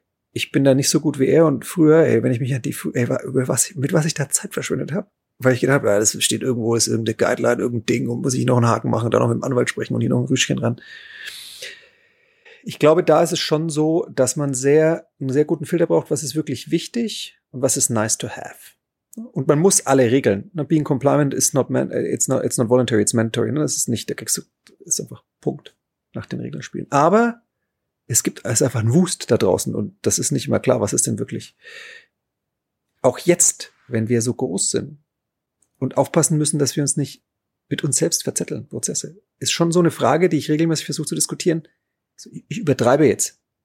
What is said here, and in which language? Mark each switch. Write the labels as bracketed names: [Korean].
[German] Ich bin da nicht so gut wie er. Und früher, ey, wenn ich mich an die, ey, über was, mit was ich da Zeit verschwendet habe, weil ich gedacht habe, ja, das steht irgendwo, ist irgendeine Guideline, irgendein Ding, und muss ich noch einen Haken machen, dann noch mit dem Anwalt sprechen und hier noch ein Rüschchen ran. Ich glaube, da ist es schon so, dass man einen sehr guten Filter braucht, was ist wirklich wichtig und was ist nice to have. Und man muss alle Regeln. [English] Being compliant is not, it's not voluntary, it's mandatory. [German] Das ist nicht, da kriegst du, ist einfach Punkt nach den Regeln spielen. Aber es gibt, es ist einfach ein Wust da draußen und das ist nicht immer klar, was ist denn wirklich. Auch jetzt, wenn wir so groß sind und aufpassen müssen, dass wir uns nicht mit uns selbst verzetteln, Prozesse, ist schon so eine Frage, die ich regelmäßig versuche zu diskutieren. Ich übertreibe jetzt.